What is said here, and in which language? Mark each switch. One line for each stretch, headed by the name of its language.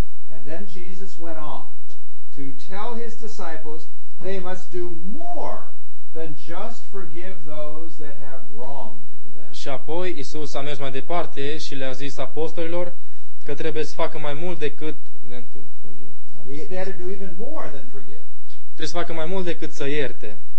English: And then Jesus went on to tell his disciples they must do more than just forgive those that have wronged them.
Romanian: Și apoi Iisus a mers mai departe și le-a zis apostolilor că trebuie să facă mai mult decât
English: to forgive. They had to do even more than forgive.
Romanian: Trebuie să facă mai mult decât să ierte.